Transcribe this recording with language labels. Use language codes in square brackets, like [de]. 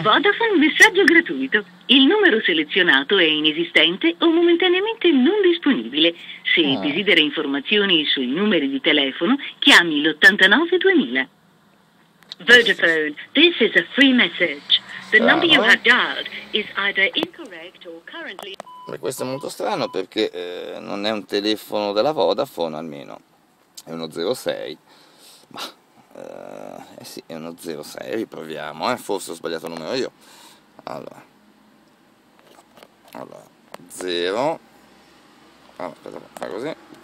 [it] Vodafone messaggio gratuito. Il numero selezionato è inesistente o momentaneamente non disponibile. Se desidera informazioni sui numeri di telefono, chiami l'89 2000. [en] Vodafone, this is a free message. The number you have dialed is either incorrect or currently. [it] Beh, questo è molto strano perché non è un telefono della Vodafone, almeno è uno 06. Ma. Eh sì, è uno 06, riproviamo, forse ho sbagliato il numero io. Allora 0. Aspetta, fa così.